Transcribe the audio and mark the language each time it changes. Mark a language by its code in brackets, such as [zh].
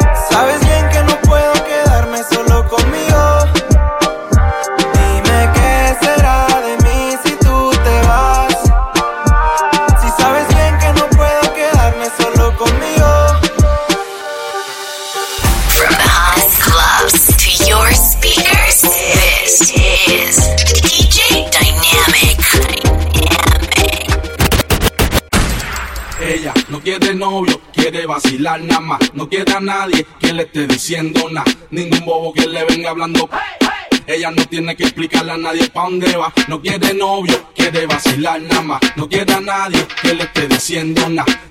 [es] Sabes bien que no puedo quedarme solo conmigo. Dime qué será de mí si tú te vas. Si sabes bien que no puedo quedarme solo conmigo. [en] From the hottest clubs to your speakers, this is DJ Dynamic. [es] Ella no quiere novio, quiere vacilar nada más. No quiere a nadie que le esté diciendo nada. Ningún bobo que le venga hablando. Hey, hey. Ella no tiene que explicarle a nadie pa' dónde va. No quiere novio, quiere vacilar nada más. No quiere a nadie que le esté diciendo nada.